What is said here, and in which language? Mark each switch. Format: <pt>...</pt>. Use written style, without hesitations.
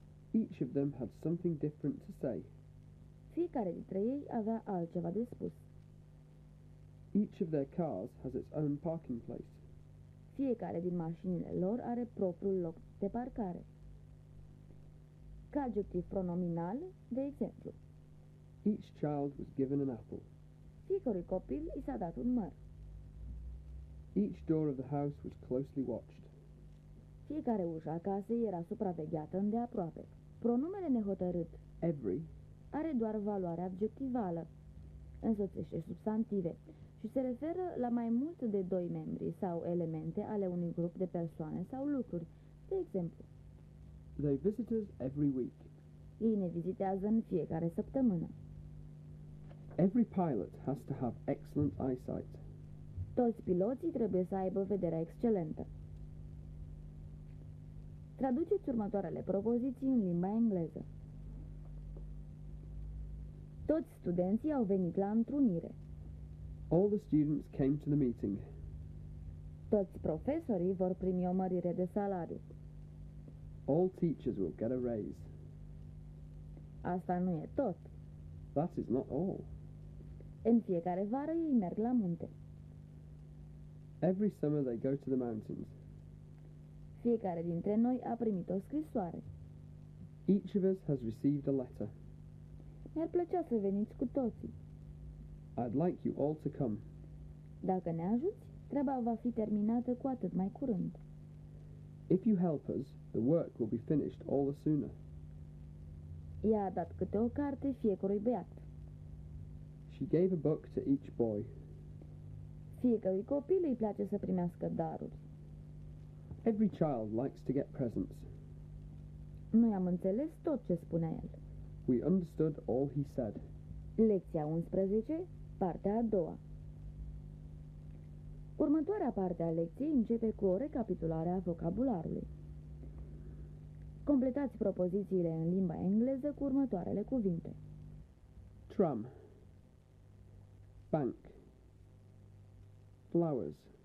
<en>each of them had something different to say.</en> <ro>Fiecare dintre ei avea altceva de spus.</ro> <en>Each of their cars has its own parking place.</en> <ro>Fiecare din mașinile lor are propriul loc de parcare. Ca adjectiv pronominal, de exemplu,</ro> <en>each child was given an apple.</en> <ro>Fiecare copil i s-a dat un măr.</ro> <en>Each door of the house was closely watched.</en> <ro>Fiecare ușă a casei era supravegheată îndeaproape. Pronumele nehotărât</ro> <en>every</en> <ro>are doar valoare adjectivală, însoțește substantive și se referă la mai mult de doi membri sau elemente ale unui grup de persoane sau lucruri. De exemplu,</ro> <en>they visit us every week.</en> <ro>Ei ne vizitează în fiecare săptămână.</ro> <en>Every pilot has to have excellent eyesight.</en> <ro>Toți piloții trebuie să aibă vederea excelentă. Traduceți următoarele propoziții în limba engleză. Toți studenții au venit la întrunire.</ro> <en>All the students came to the meeting.</en> <ro>Toți profesorii vor primi o mărire de salariu.</ro> <en>All teachers will get a raise.</en> <ro>Asta nu e tot.</ro> <en>That is not all.</en> <ro>În fiecare vară ei merg la munte.</ro> <en>Every summer they go to the mountains.</en> <ro>Fiecare dintre noi a primit o scrisoare.</ro> <en>Each of us has received a letter.</en> <ro>Mi-ar plăcea să veniți cu toții.</ro> <en>I'd like you all to come.</en> <ro>Dacă ne ajuți, treaba va fi terminată cu atât mai curând.</ro> <en>If you help us, the work will be finished all the sooner.</en> <ro>Ea a dat câte o carte fiecărui băiat.</ro> <en>She gave a book to each boy.</en> <ro>Fiecărui copil îi place să primească daruri.</ro> <en>Every child likes to get presents.</en> <ro>Noi am înțeles tot ce spunea el.</ro> <en>We understood all he said.</en> <ro>Lecția 11, partea a doua. Următoarea parte a lecției începe cu o recapitulare a vocabularului. Completați propozițiile în limba engleză cu următoarele cuvinte.</ro> <en>Tram. Bank. Flowers.</en>